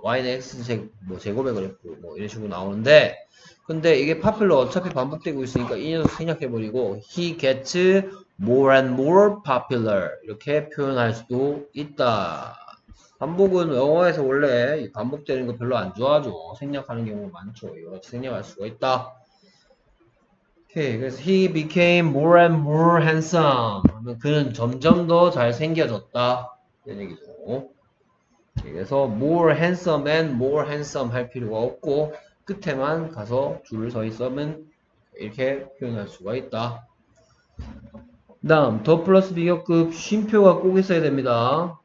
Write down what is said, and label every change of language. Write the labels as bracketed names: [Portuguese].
[Korean] y는 x 제곱에 그랬고 뭐 이런 식으로 나오는데 근데 이게 popular 어차피 반복되고 있으니까 이 녀석 생략해버리고 [English] he gets more and more popular [Korean] 이렇게 표현할 수도 있다. 반복은 영어에서 원래 반복되는 거 별로 안 좋아하죠. 생략하는 경우가 많죠. 이렇게 생략할 수가 있다. 오케이, 그래서 [English] he became more and more handsome. [Korean] 그는 점점 더 잘생겨졌다. 이런 얘기죠. 그래서 [English] more handsome and more handsome [Korean] 할 필요가 없고 끝에만 가서 줄을 서 있으면 이렇게 표현할 수가 있다. 다음, 더 플러스 비교급 쉼표가 꼭 있어야 됩니다.